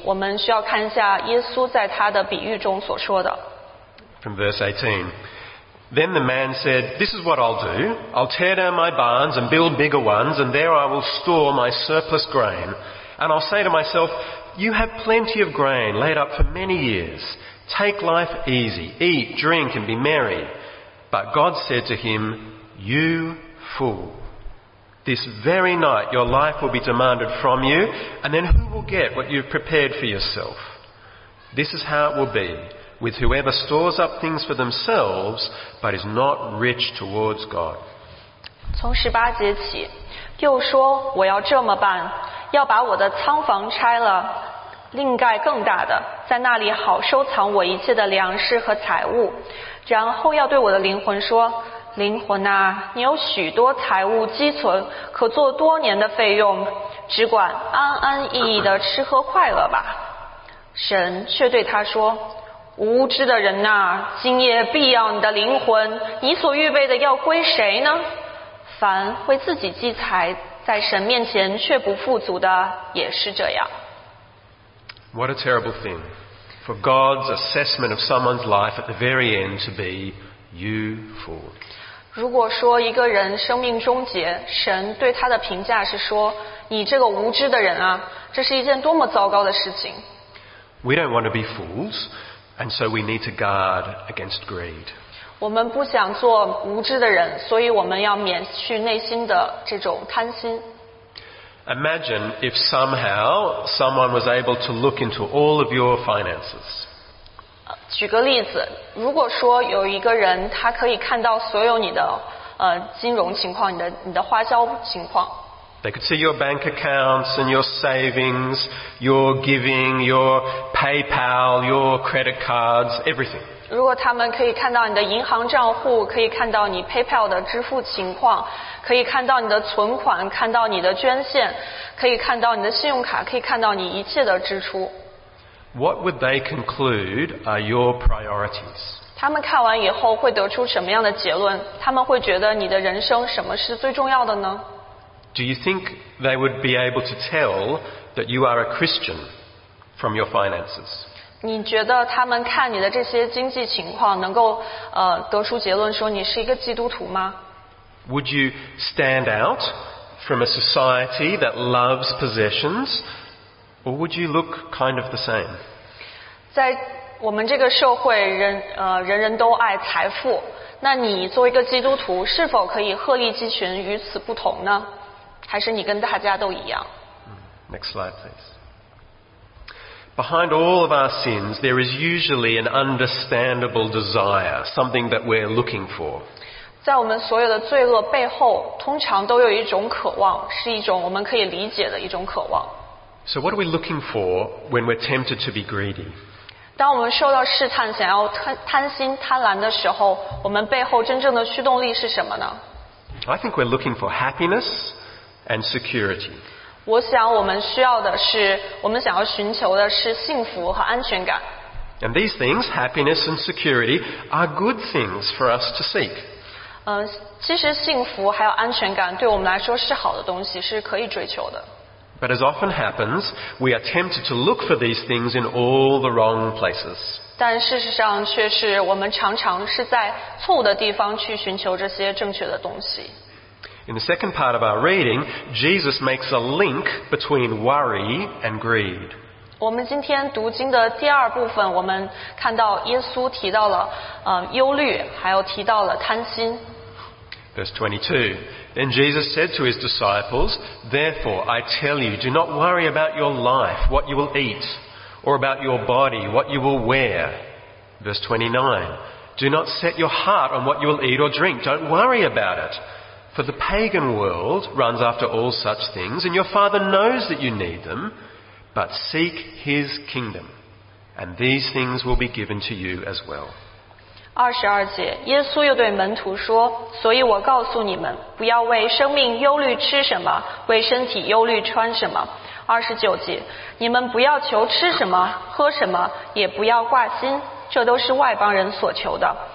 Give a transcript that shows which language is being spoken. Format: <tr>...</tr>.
<zh>我们需要看一下耶稣在他的比喻中所说的。</zh> <en>From verse 18, then the man said, "This is what I'll do. I'll tear down my barns and build bigger ones, and there I will store my surplus grain, and I'll say to myself." You have plenty of grain laid up for many years. Take life easy. Eat, drink, and be merry. But God said to him, You fool. This very night your life will be demanded from you, and then who will get what you've prepared for yourself? This is how it will be with whoever stores up things for themselves, but is not rich towards God.</en> <zh>从十八节起，又说我要这么办，要把我的仓房拆了。另盖更大的，在那里好收藏我一切的粮食和财物。然后要对我的灵魂说：灵魂啊，你有许多财物积存，可做多年的费用，只管安安逸逸的吃喝快乐吧。神却对他说：无知的人啊，今夜必要你的灵魂，你所预备的要归谁呢？凡为自己积财，在神面前却不富足的，也是这样。</zh> <en>What a terrible thing for God's assessment of someone's life at the very end to be you fool.</en> <zh>如果说一个人生命终结，神对他的评价是说，你这个无知的人啊，这是一件多么糟糕的事情。</zh> <en>We don't want to be fools, and so we need to guard against greed.</en> <zh>我们不想做无知的人，所以我们要免去内心的这种贪心。</zh> <en>Imagine if somehow someone was able to look into all of your finances.</en> <zh>举个例子，如果说有一个人，他可以看到所有你的金融情况，你的花销情况。</zh> <en>They could see your bank accounts and your savings, your giving, your PayPal, your credit cards, everything.</en> <zh>如果他们可以看到你的银行账户，可以看到你 PayPal 的支付情况，可以看到你的存款，看到你的捐献，可以看到你的信用卡，可以看到你一切的支出。</zh> <en>What would they conclude are your priorities?</en> <zh>他们看完以后会得出什么样的结论？他们会觉得你的人生什么是最重要的呢？</zh> <en>Do you think they would be able to tell that you are a Christian from your finances?</en> <zh>你觉得他们看你的这些经济情况能够得出结论说你是一个基督徒吗？</zh> <en>Would you stand out from a society that loves possessions, or would you look kind of the same?</en> <zh>在我们这个社会，人人都爱财富，那你作为一个基督徒，是否可以鹤立鸡群，与此不同呢？还是你跟大家都一样？</zh> <en>Next slide, please. Behind all of our sins, there is usually an understandable desire, something that we're looking for.</en> <zh>在我们所有的罪恶背后，通常都有一种渴望，是一种我们可以理解的一种渴望。</zh> <en>So what are we looking for when we're tempted to be greedy?</en> <zh>当我们受到试探，想要贪心、贪婪的时候，我们背后真正的驱动力是什么呢？</zh> <en>I think we're looking for happiness. And security.</en> <zh>我想我们需要的是，我们想要寻求的是幸福和安全感。</zh> <en>And these things, happiness and security, are good things for us to seek.</en> <zh>其实幸福还有安全感对我们来说是好的东西，是可以追求的。</zh> <en>But as often happens, we are tempted to look for these things in all the wrong places.</en> <zh>但事实上却是我们常常是在错误的地方去寻求这些正确的东西。</zh> <en>In the second part of our reading, Jesus makes a link between worry and greed.</en> <zh>我们今天读经的第二部分，我们看到耶稣提到了忧虑，还有提到了贪心。</zh> <en>Verse 22, Then Jesus said to his disciples, Therefore I tell you, do not worry about your life, what you will eat, or about your body, what you will wear. Verse 29, Do not set your heart on what you will eat or drink, don't worry about it. For the pagan world runs after all such things, and your father knows that you need them, but seek his kingdom, and these things will be given to you as well.</en> <zh>22节，耶稣又对门徒说，所以我告诉你们，不要为生命忧虑吃什么，为身体忧虑穿什么。 29节，你们不要求吃什么，喝什么，也不要挂心，这都是外邦人所求的。</zh>